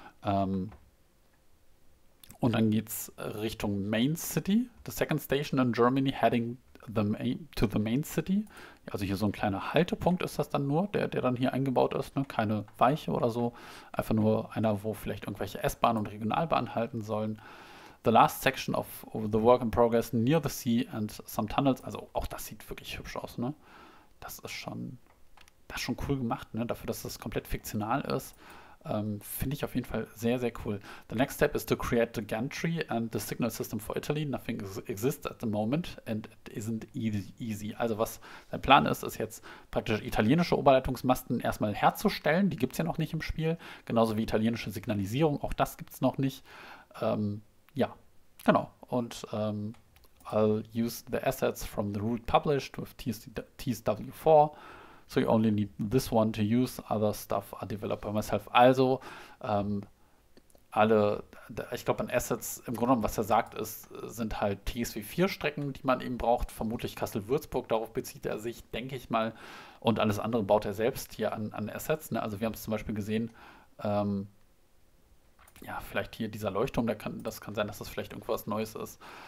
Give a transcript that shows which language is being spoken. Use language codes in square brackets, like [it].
[de] Und dann geht es Richtung [en] Main City, the second station in Germany, heading to the Main City. [de] Also hier so ein kleiner Haltepunkt ist das dann nur, der dann hier eingebaut ist. Ne? Keine Weiche oder so. Einfach nur einer, wo vielleicht irgendwelche S-Bahn und Regionalbahn halten sollen. [en] The last section of the work in progress near the sea and some tunnels. [de] Also auch das sieht wirklich hübsch aus, ne? Das ist schon cool gemacht, ne? Dafür, dass das komplett fiktional ist, finde ich auf jeden Fall sehr, sehr cool. [en] The next step is to create the gantry and the signal system for Italy. Nothing exists at the moment and it isn't easy. [de] Also was sein Plan ist jetzt praktisch italienische Oberleitungsmasten erstmal herzustellen. Die gibt es ja noch nicht im Spiel. Genauso wie italienische Signalisierung. Auch das gibt es noch nicht. Ja, genau. Und [en] I'll use the assets from the route published with TSW4. So you only need this one to use. Other stuff I develop by myself. [de] Also, alle, ich glaube, an Assets, im Grunde genommen, was er sagt, sind halt TSW4-Strecken, die man eben braucht. Vermutlich Kassel-Würzburg, darauf bezieht er sich, denke ich mal. Und alles andere baut er selbst hier an Assets. Ne? Also, wir haben es zum Beispiel gesehen. Ja, vielleicht hier dieser Leuchtturm, das kann sein, dass das vielleicht irgendwas Neues ist.